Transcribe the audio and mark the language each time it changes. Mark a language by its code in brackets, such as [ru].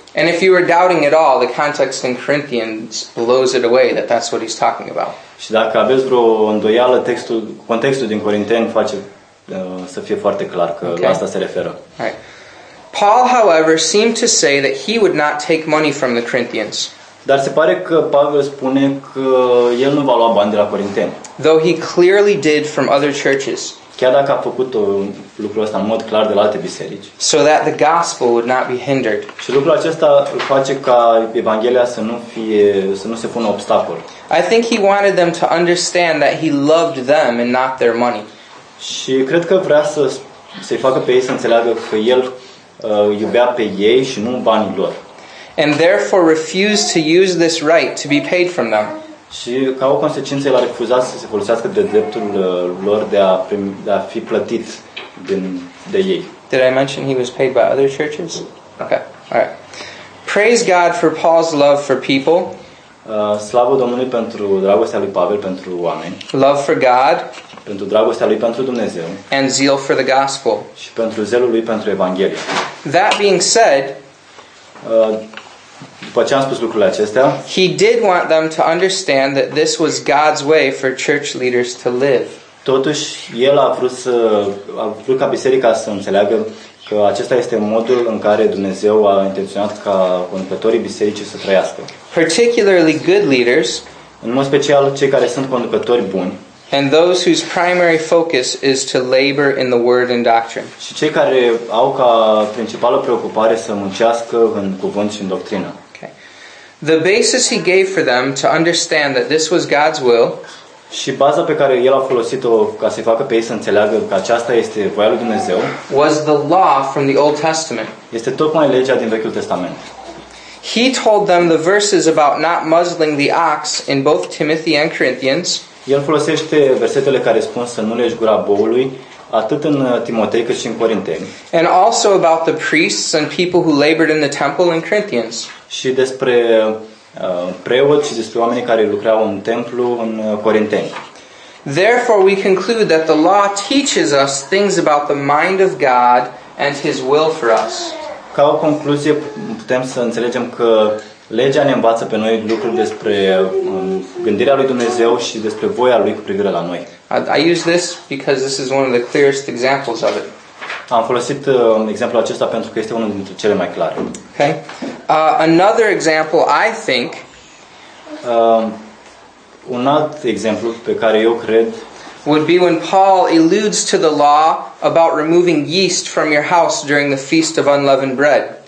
[en] And if you were doubting at all, the context in Corinthians blows it away that that's what he's talking about. [ro] Și dacă aveți vreo îndoială, contextul din Corinteni face să fie foarte clar că okay, la asta se referă. [en] Right. Paul, however, seemed to say that he would not take money from the Corinthians. [ro] Dar se pare că Pavel spune că el nu va lua bani de la Corinteni. [en] Though he clearly did from other churches. [ro] Chiar dacă a făcut lucrul ăsta în mod clar de la alte biserici. [en] So that the gospel would not be hindered. [ro] Și lucrul acesta face ca Evanghelia să nu se pună obstacol. [en] I think he wanted them to understand that he loved them and not their money. [ro] Și cred că vrea să se facă pe ei să înțeleagă că el iubea pe ei și nu banii lor. [en] And therefore refused to use this right to be paid from them. [ro] Și ca o consecință el a refuzat să se folosească de dreptul lor de a fi plătit de ei. [en] Did I mention he was paid by other churches? Okay. All right. Praise God for Paul's love for people. [ro] Slavă Domnului pentru dragostea lui Pavel pentru oameni. [en] Love for God. [ro] Pentru dragostea lui pentru Dumnezeu. [en] And zeal for the gospel. [ro] Și pentru zelul lui pentru Evanghelie. [en] That being said, [ro] după ce am spus lucrurile acestea, [en] he did want them to understand that this was God's way for church leaders to live. [ro] Totuși, el a vrut ca biserica să înțeleagă că acesta este modul în care Dumnezeu a intenționat ca conducătorii bisericii să trăiască. [en] Particularly good leaders, [ro] în mod special cei care sunt conducători buni, [en] and those whose primary focus is to labor in the word and doctrine. [ro] Și cei care au ca principală preocupare să muncească în cuvânt și în doctrină. [en] Okay. The basis he gave for them to understand that this was God's will. [ro] Și baza pe care el a folosit-o ca să facă pe ei să înțeleagă că aceasta este voia lui Dumnezeu. [en] Was the law from the Old Testament. [ro] Este tocmai legea din Vechiul Testament. [en] He told them the verses about not muzzling the ox in both Timothy and Corinthians. [ro] El folosește versetele care spun să nu lești gura boului atât în Timotei cât și în Corinteni. [en] And also about the priests and people who labored in the temple in Corinthians. [ro] Și despre preoți și despre oamenii care lucrau în templu în Corinteni. [en] Therefore we conclude that the law teaches us things about the mind of God and his will for us. [ro] Ca o concluzie, putem să înțelegem că legea ne învață pe noi lucruri despre gândirea lui Dumnezeu și despre voia lui cu privire la noi. [en] I use this because this is one of the clearest examples of it. [ro] Am folosit exemplul acesta pentru că este unul dintre cele mai clare. [en] Okay. Another example, I think. [ro] Un alt exemplu pe care eu cred [en] would be when Paul alludes to the law about removing yeast from your house during the Feast of Unleavened Bread.